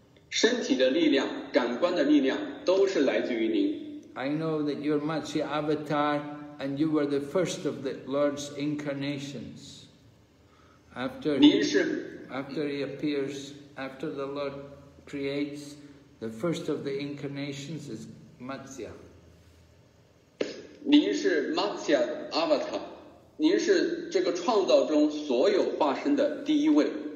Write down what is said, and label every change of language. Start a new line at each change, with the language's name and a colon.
Chinese: 身体的力量、感官的力量都是来自于您。
English: I know that you're Matsya Avatar, and you were the first of the Lord's incarnations. After he appears, after the Lord creates, the first of the incarnations is Matsya.
Chinese: 您是 Matsya Avatar, 您是这个创造中所有化身的第一位。